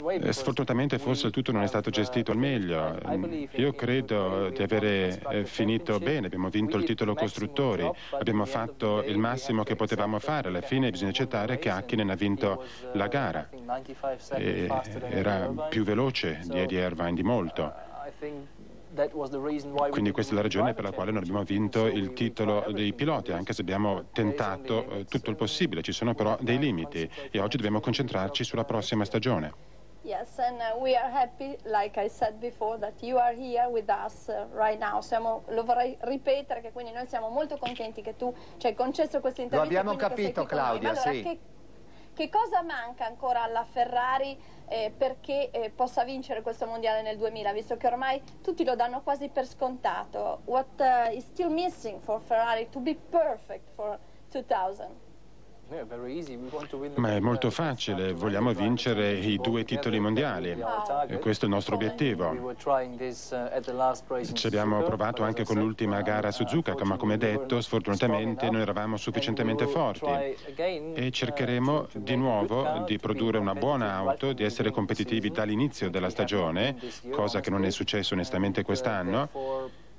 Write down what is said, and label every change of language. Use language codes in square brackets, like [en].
[it] Sfortunatamente forse il tutto non è stato gestito al meglio. Io credo di avere finito bene, abbiamo vinto il titolo costruttori, abbiamo fatto il massimo che potevamo fare, alla fine bisogna accettare che Häkkinen ha vinto la gara, e era più veloce di Eddie Irvine di molto. Quindi questa è la ragione per la quale non abbiamo vinto il titolo dei piloti, anche se abbiamo tentato tutto il possibile, ci sono però dei limiti e oggi dobbiamo concentrarci sulla prossima stagione. [en] Yes, and we are happy, like I said before, that you are here with us right now. [it] Siamo, lo vorrei ripetere, che quindi noi siamo molto contenti che tu ci hai concesso questo intervento. Lo abbiamo capito, Claudia, allora, sì. Che cosa manca ancora alla Ferrari perché possa vincere questo mondiale nel 2000, visto che ormai tutti lo danno quasi per scontato? [en] What is still missing for Ferrari to be perfect for 2000? [it] Ma è molto facile, vogliamo vincere i due titoli mondiali, e questo è il nostro obiettivo. Ci abbiamo provato anche con l'ultima gara a Suzuka, ma come detto, sfortunatamente non eravamo sufficientemente forti e cercheremo di nuovo di produrre una buona auto, di essere competitivi dall'inizio della stagione, cosa che non è successo onestamente quest'anno.